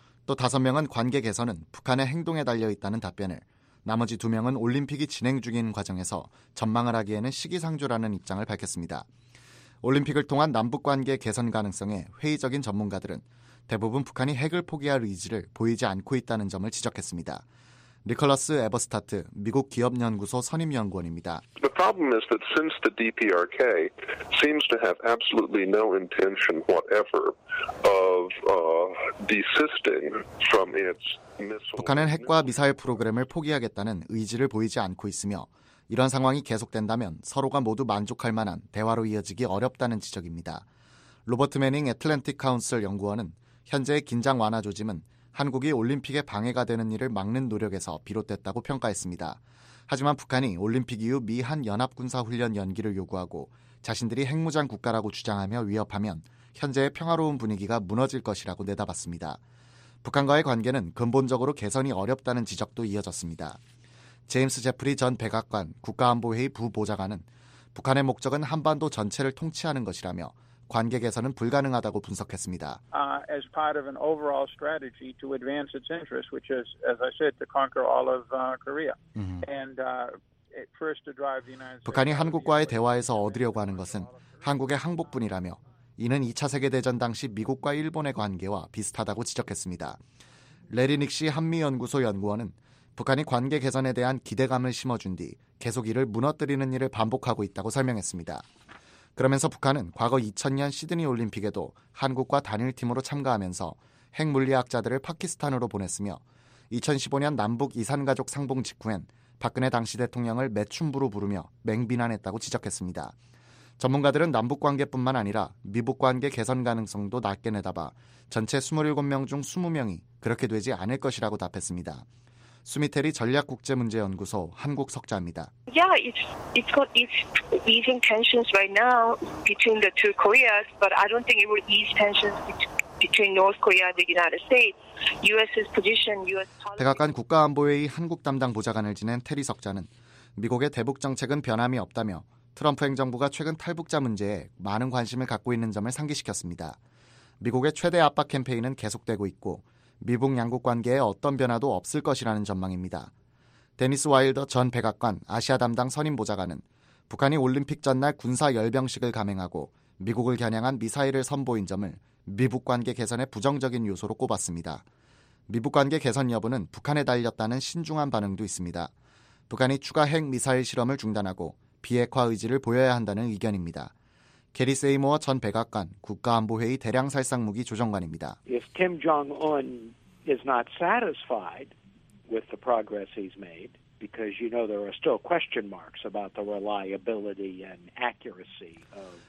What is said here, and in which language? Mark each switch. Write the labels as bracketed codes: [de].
[ko] 또 5명은 관계 개선은 북한의 행동에 달려있다는 답변을, 나머지 2명은 올림픽이 진행 중인 과정에서 전망을 하기에는 시기상조라는 입장을 밝혔습니다. 올림픽을 통한 남북관계 개선 가능성에 회의적인 전문가들은 대부분 북한이 핵을 포기할 의지를 보이지 않고 있다는 점을 지적했습니다. 니콜라스 에버스타트, 미국 기업연구소 선임연구원입니다. [en] The problem is that since the DPRK seems to have absolutely no intention whatever of desisting from its missile. [ko] 북한은 핵과 미사일 프로그램을 포기하겠다는 의지를 보이지 않고 있으며, 이런 상황이 계속된다면 서로가 모두 만족할 만한 대화로 이어지기 어렵다는 지적입니다. 로버트 매닝 애틀랜틱 카운슬 연구원은 현재의 긴장 완화 조짐은 한국이 올림픽에 방해가 되는 일을 막는 노력에서 비롯됐다고 평가했습니다. 하지만 북한이 올림픽 이후 미한 연합군사 훈련 연기를 요구하고 자신들이 핵무장 국가라고 주장하며 위협하면 현재의 평화로운 분위기가 무너질 것이라고 내다봤습니다. 북한과의 관계는 근본적으로 개선이 어렵다는 지적도 이어졌습니다. 제임스 제프리 전 백악관 국가안보회의 부보좌관은 북한의 목적은 한반도 전체를 통치하는 것이라며 관계 개선은 불가능하다고 분석했습니다. [en] As part of an overall strategy to advance its interests, which is, as I said, to conquer all of Korea, and first to drive the United States. [ko] 북한이 한국과의 대화에서 얻으려고 하는 것은 한국의 항복뿐이라며, 이는 2차 세계 대전 당시 미국과 일본의 관계와 비슷하다고 지적했습니다. 레리 닉시 한미 연구소 연구원은 북한이 관계 개선에 대한 기대감을 심어준 뒤 계속 이를 무너뜨리는 일을 반복하고 있다고 설명했습니다. 그러면서 북한은 과거 2000년 시드니 올림픽에도 한국과 단일팀으로 참가하면서 핵물리학자들을 파키스탄으로 보냈으며, 2015년 남북 이산가족 상봉 직후엔 박근혜 당시 대통령을 매춘부로 부르며 맹비난했다고 지적했습니다. 전문가들은 남북관계뿐만 아니라 미북관계 개선 가능성도 낮게 내다봐 전체 27명 중 20명이 그렇게 되지 않을 것이라고 답했습니다. 수미테리 전략국제문제연구소 한국 석좌입니다. [en] Easing tensions right now between the two Koreas, but I don't think it will ease tensions between North Korea and the United States. U.S.'s position, U.S. policy. [ko] 백악관 국가안보회의 한국 담당 보좌관을 지낸 테리 석좌는 미국의 대북 정책은 변함이 없다며 트럼프 행정부가 최근 탈북자 문제에 많은 관심을 갖고 있는 점을 상기시켰습니다. 미국의 최대 압박 캠페인은 계속되고 있고, 미북 양국 관계에 어떤 변화도 없을 것이라는 전망입니다. 데니스 와일더 전 백악관 아시아 담당 선임 보좌관은 북한이 올림픽 전날 군사 열병식을 감행하고 미국을 겨냥한 미사일을 선보인 점을 미북 관계 개선의 부정적인 요소로 꼽았습니다. 미북 관계 개선 여부는 북한에 달렸다는 신중한 반응도 있습니다. 북한이 추가 핵 미사일 실험을 중단하고 비핵화 의지를 보여야 한다는 의견입니다. 게리 세이모어 전 백악관 국가안보회의 대량살상무기 조정관입니다. [en] If Kim Jong-un is not satisfied with the progress he's made, because you know there are still question marks about the reliability and accuracy of